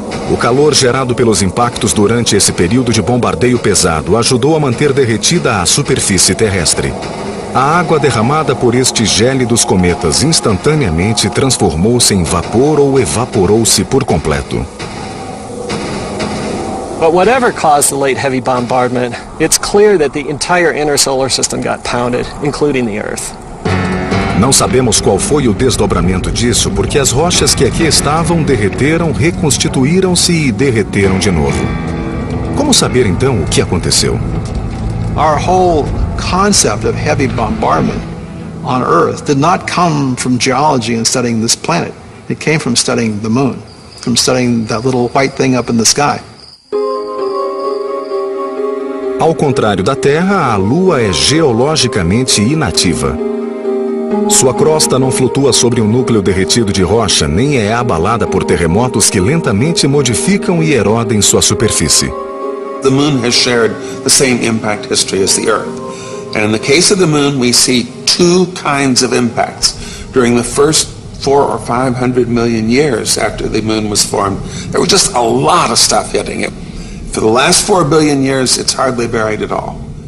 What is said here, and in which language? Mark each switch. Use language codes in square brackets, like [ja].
[pt] O calor gerado pelos impactos durante esse período de bombardeio pesado ajudou a manter derretida a superfície terrestre. A água derramada por estes gélidos cometas instantaneamente transformou-se em vapor ou evaporou-se por completo. [en] But whatever caused the late heavy bombardment, it's clear that the entire inner solar system got pounded, including the Earth. [pt] Não sabemos qual foi o desdobramento disso, porque as rochas que aqui estavam derreteram, reconstituíram-se e derreteram de novo. Como saber então o que aconteceu? [en] Our whole concept of heavy bombardment on Earth did not come from geology and studying this planet. It came from studying the moon, from studying that little white thing up in the sky. [pt] Ao contrário da Terra, a Lua é geologicamente inativa. Sua crosta não flutua sobre um núcleo derretido de rocha, nem é abalada por terremotos que lentamente modificam e erodem sua superfície. [en] The moon has shared the same impact history as the Earth. And in the case of the moon, we see two kinds of impacts. During the first 400 or 500 million years after the moon was formed, there was just a lot of stuff hitting it. For the last 4 billion years, it's hardly buried at all.